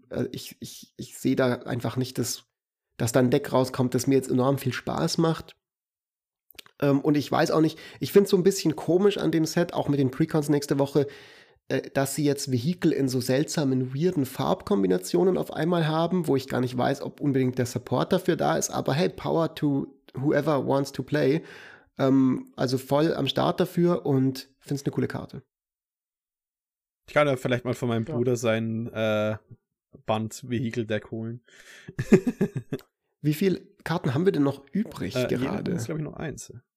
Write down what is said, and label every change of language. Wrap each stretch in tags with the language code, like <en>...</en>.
<de>Ich sehe da einfach nicht, dass da ein Deck rauskommt, das mir jetzt enorm viel Spaß macht. Und ich weiß auch nicht, ich finde es so ein bisschen komisch an dem Set, auch mit den Precons nächste Woche, dass sie jetzt Vehikel in so seltsamen, weirden Farbkombinationen auf einmal haben, wo ich gar nicht weiß, ob unbedingt der Support dafür da ist. Aber hey,</de> <en>power to whoever wants to play.</en> <de>Also voll am Start dafür und finde es eine coole Karte. Ich kann ja vielleicht mal von meinem Bruder sein Band-Vehikel-Deck holen. Wie viele Karten haben wir denn noch übrig gerade? Das ist, glaube ich, nur eins.</de>